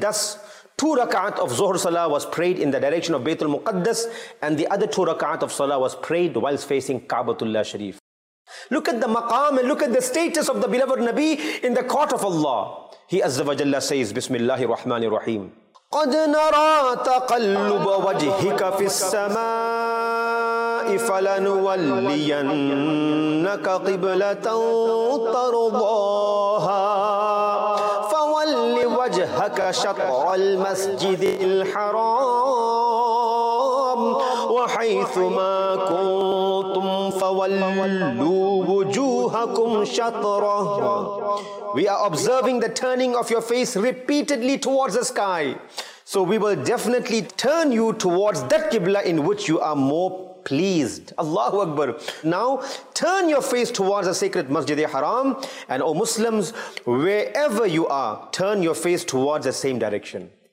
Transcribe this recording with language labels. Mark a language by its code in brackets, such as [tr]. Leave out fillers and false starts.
[en] Thus, two rak'at of Zuhr Salah was prayed in the direction of Baytul Muqaddas, and the other two rak'at of Salah was prayed whilst facing Ka'batullah Sharif. Look at the maqam and look at the status of the beloved Nabi in the court of Allah. He Azza wa Jalla says, Bismillahir Rahmanir Rahim. [ar] قد نرى تقلب وجهك في السماء فلنولينك قبلة ترضاها فول وجهك شطر المسجد الحرام وحيثما كنتم فولوا وجوهكم شطره. [en] We are observing the turning of your face repeatedly towards the sky. So we will definitely turn you towards that Qibla in which you are more pleased. Allahu Akbar. Now turn your face towards the sacred Masjid-e-Haram. And O Muslims, wherever you are, turn your face towards the same direction.